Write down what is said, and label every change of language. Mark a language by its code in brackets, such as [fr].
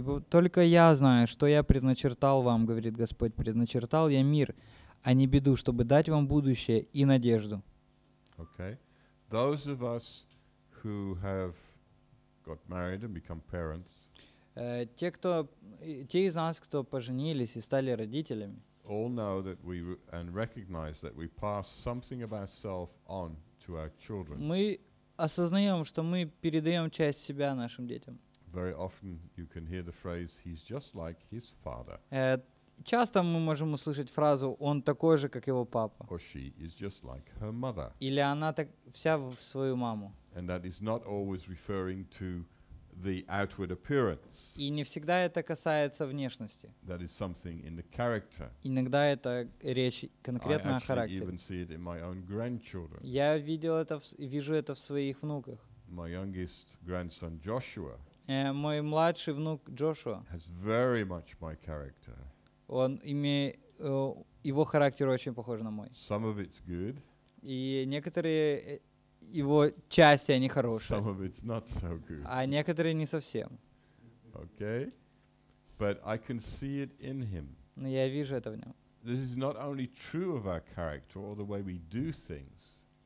[ru] Только я знаю, что я предначертал вам, говорит Господь, предначертал я мир, а не беду, чтобы дать вам будущее и надежду. [en] Okay. Those of us who have got married and become parents, [ru] те из нас, кто поженились и стали родителями, [en] all know that we and recognize that we pass something of ourselves on to our children. [ru] Мы осознаем, что мы передаем часть себя нашим детям. [en] Very often you can hear the phrase, he's just like his father. [ru] Часто мы можем услышать фразу «он такой же, как его папа». [en] Or she is just like her mother. [ru] Или она так вся в свою маму. [en] And that is not always referring to the outward appearance. [ru] И не всегда это касается внешности. [en] That is something in the character. [ru] Иногда это речь конкретно о характере. [en] I actually even see it in my own grandchildren. [ru] Я видел это, вижу это в своих внуках. [en] My youngest grandson Joshua. [ru] Мой младший внук Джошуа. [en] Has very much my character. [ru] Он имеет его характер очень похож на мой. [en] Some of it's good. [ru] И некоторые его части они хорошие. [en] Some of it's not so good. [ru] А некоторые не совсем. [en] Okay, but I can see it in him. [ru] Но я вижу это в нем. [en] This is not only true of our character or the way we do things.